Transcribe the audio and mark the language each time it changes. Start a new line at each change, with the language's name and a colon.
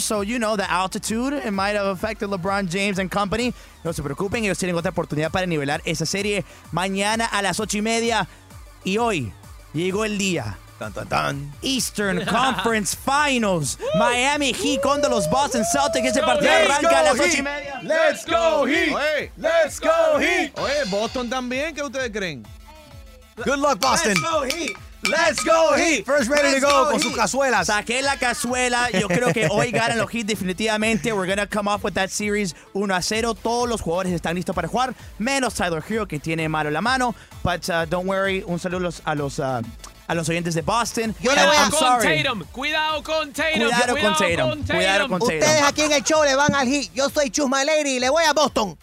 English: So, you know, the altitude, it might have affected LeBron James and company.
Spanish: No se preocupen. Ellos tienen otra oportunidad para nivelar esa serie mañana a las 8:30. Y hoy llegó el día. Tan, tan, tan. Eastern Conference Finals. Miami Heat contra los Boston Celtics. Ese partido arranca a las 8:30.
English: Let's go Heat. Let's go Heat.
Spanish: Oye, Boston también, ¿qué ustedes creen?
English: Good luck, Boston. Let's go Heat. Let's go Heat. First ready Let's to go
Spanish: con sus cazuelas. Saqué la cazuela. Yo creo que hoy ganan los Heat definitivamente.
English: We're going to come off with that series 1-0.
Spanish: Todos los jugadores están listos para jugar, menos Tyler Hero, que tiene malo la mano.
English: But don't worry.
Spanish: Un saludo a los oyentes de Boston. Cuidado con Tatum. Ustedes aquí en el show le van al Heat. Yo soy Chusma Lady y le voy a Boston.